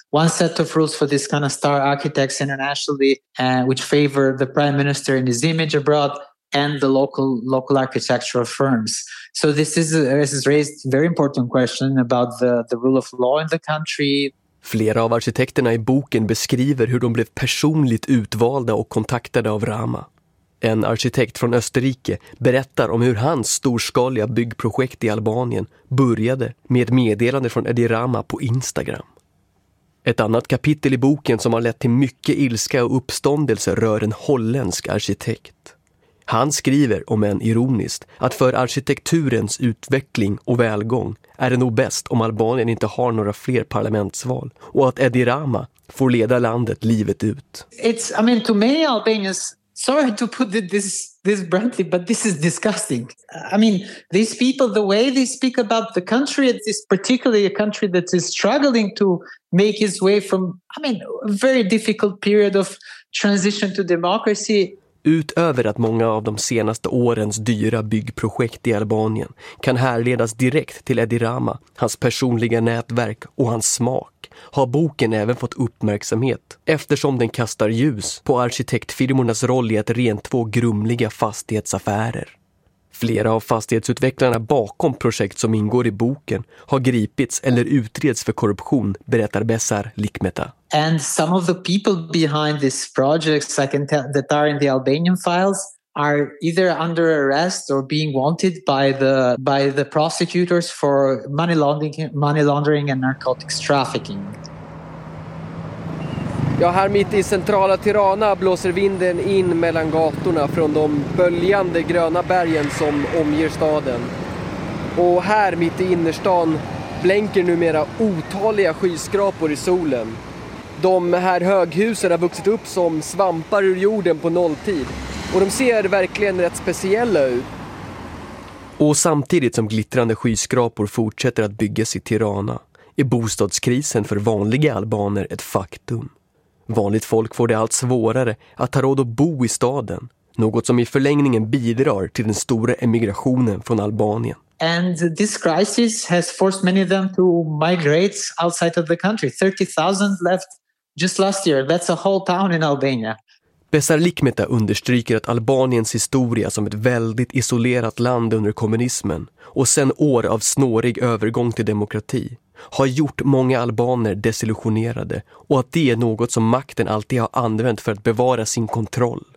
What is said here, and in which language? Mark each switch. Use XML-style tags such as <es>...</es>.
<en>One set of rules for this kind of star architects internationally, which favor the prime minister and his image abroad and the local architectural firms. So this has raised very important question about the rule of law in the country.</en> <sv>Flera av arkitekterna i boken beskriver hur de blev personligt utvalda och kontaktade av Rama. En arkitekt från Österrike berättar om hur hans storskaliga byggprojekt i Albanien började med ett meddelande från Edi Rama på Instagram. Ett annat kapitel i boken som har lett till mycket ilska och uppståndelse rör en holländsk arkitekt. Han skriver, om än ironiskt, att för arkitekturens utveckling och välgång är det nog bäst om Albanien inte har några fler parlamentsval och att Edi Rama får leda landet livet ut.</sv> <en>It's, I mean, to many Albanians, sorry to put this bluntly, but this is disgusting. I mean, these people, the way they speak about the country, it's particularly a country that is struggling to make its way from, I mean, a very difficult period of transition to democracy.</en> <sv>Utöver att många av de senaste årens dyra byggprojekt i Albanien kan härledas direkt till Edi Rama, hans personliga nätverk och hans smak, har boken även fått uppmärksamhet eftersom den kastar ljus på arkitektfirmornas roll i att rentvå grumliga fastighetsaffärer. Flera av fastighetsutvecklarna bakom projekt som ingår i boken har gripits eller utreds för korruption, berättar Besar Likmeta.</sv> <en>And some of the people behind these projects, I can tell, that are in the Albanian files, are either under arrest or being wanted by the prosecutors for money laundering and narcotics trafficking.</en> <sv>Ja, här mitt i centrala Tirana blåser vinden in mellan gatorna från de böljande gröna bergen som omger staden. Och här mitt i innerstan blänker numera otaliga skyskrapor i solen. De här höghusen har vuxit upp som svampar ur jorden på nolltid. Och de ser verkligen rätt speciella ut. Och samtidigt som glittrande skyskrapor fortsätter att byggas i Tirana är bostadskrisen för vanliga albaner ett faktum. Vanligt folk får det allt svårare att ta råd att bo i staden, något som i förlängningen bidrar till den stora emigrationen från Albanien.</sv> <en>And this crisis has forced many of them to migrate outside of the country. 30,000 left just last year. That's a whole town in Albania.</en> <sv>Besar Likmeta understryker att Albaniens historia som ett väldigt isolerat land under kommunismen och sen år av snårig övergång till demokrati har gjort många albaner desillusionerade och att det är något som makten alltid har använt för att bevara sin kontroll.</sv>